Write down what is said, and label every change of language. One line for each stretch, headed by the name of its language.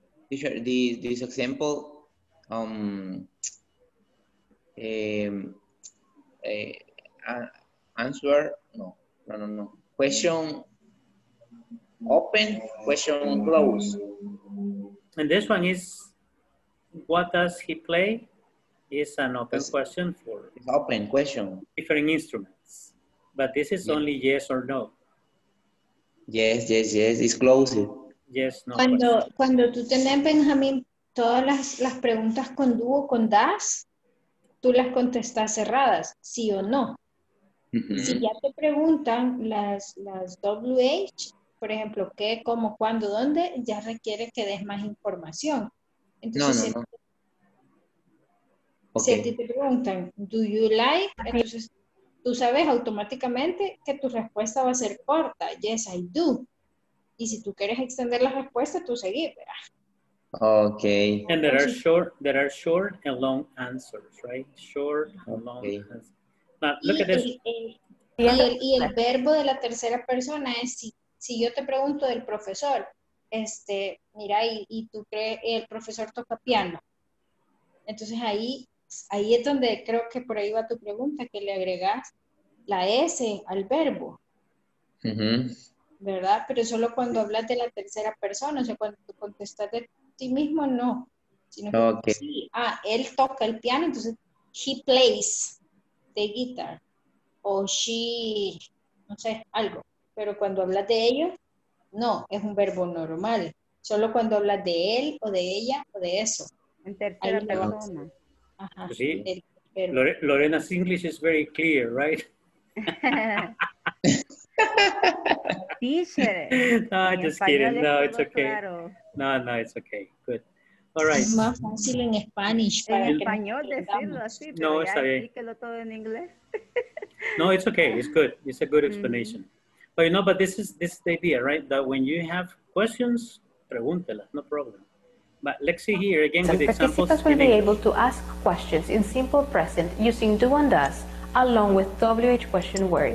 English: This example, answer no question open, question close, and this one is what does he play is an open question for open question different instruments, but this is only yes or no. Yes it's closing. Yes, no.
Spanish: Cuando tú tenés, Benjamín, todas las preguntas con do o con das, tú las contestas cerradas, sí o no. Si ya te preguntan las WH, por ejemplo, qué, cómo, cuándo, dónde, ya requiere que des más información. Entonces, si a ti te preguntan,
English: do you like?
Spanish: Entonces, tú sabes automáticamente que tu respuesta va a ser corta,
English: yes, I do.
Spanish: Y si tú quieres extender la respuesta, tú seguís, ¿verdad?
English: Okay. And there are short and long answers, right? Short and long answers. Now, look at this.
Spanish: Y el verbo de la tercera persona es si yo te pregunto del profesor, mira, y tú crees el profesor toca piano. Entonces ahí es donde creo que por ahí va tu pregunta, que le agregas la S al verbo. ¿Verdad? Pero solo cuando hablas de la tercera persona, o sea, cuando tú contestas de ti mismo, no. Sino que él toca el piano, entonces,
English: he plays the guitar.
Spanish: O she, no sé, algo. Pero cuando hablas de ellos, no, es un verbo normal. Solo cuando hablas de él, o de ella, o de eso. En tercera persona. Ajá. Sí.
English: Lorena's English is very clear, right? Teacher. No, just kidding. No, it's okay. Claro. No, it's okay. Good. All right.
Spanish: Es más fácil en Spanish. En español decirlo así, pero no, está bien. Explíquelo todo en inglés.
English: No, it's okay. It's good. It's a good explanation. Mm-hmm. But you know, but this is the idea, right? That when you have questions,
Spanish: pregúntela,
English: no problem. But let's see here again with examples. Some participants will be able to ask questions in simple present using do and does along with WH question words.